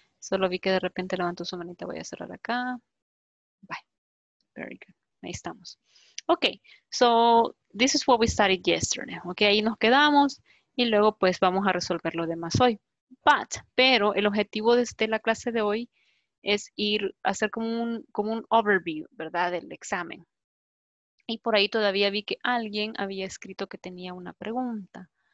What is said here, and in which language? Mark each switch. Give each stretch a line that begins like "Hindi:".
Spanish: Solo vi que de repente levantó su manita, voy a cerrar acá.
English: Bye. Very good.
Spanish: Ahí estamos.
English: Okay, so this is what we studied yesterday.
Spanish: Okay, ahí nos quedamos y luego pues vamos a resolver lo demás hoy. Pero el objetivo de la clase de hoy es ir a hacer como un overview, ¿verdad? Del examen. Y por ahí todavía vi que alguien había escrito que tenía una pregunta.